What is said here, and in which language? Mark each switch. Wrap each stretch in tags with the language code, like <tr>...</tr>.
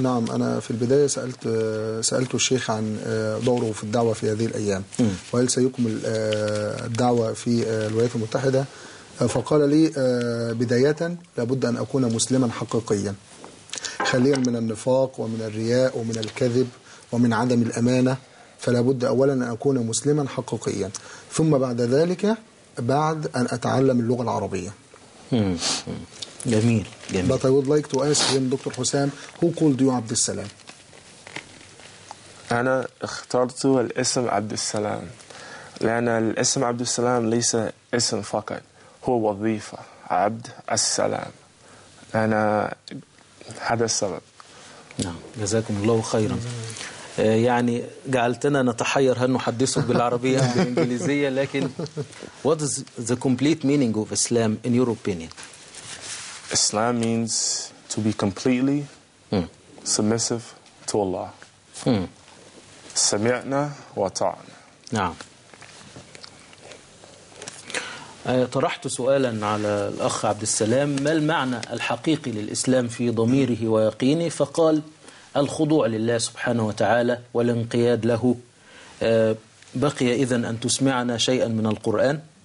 <ar>نعم أنا في البداية سألت الشيخ عن دوره في الدعوة في هذه الأيام وهل سيكمل الدعوة في الولايات المتحدة؟ فقال لي بداية لابد أن أكون مسلما حقيقيا خاليا من النفاق ومن الرياء ومن الكذب ومن عدم الأمانة فلابد أولا أن أكون مسلما حقيقيا ثم بعد ذلك بعد أن أتعلم اللغة العربية جميل جميل</ar> <en>But I would like to ask him, Dr. Hussam, who called you Abdul Salam</en> <ar>أنا اخترت الاسم عبد السلام لأن الاسم عبد السلام ليس اسم فقط هو وظيفة عبد السلام أنا هذا السبب نعم جزاكم الله خيرا يعني جعلتنا نتحير هل نحدثه بالعربية أو بالإنجليزية لكن</ar> <en>what is the complete meaning of Islam in your opinion Islam means to be completely submissive to Allah</en> <ar>سمعنا وطعنا نعم طرحت سؤالا على الأخ عبد السلام، ما المعنى الحقيقي للإسلام في ضميره ويقينه؟ فقال الخضوع لله سبحانه وتعالى والانقياد له. بقي إذن أن تسمعنا شيئا من القرآن</ar>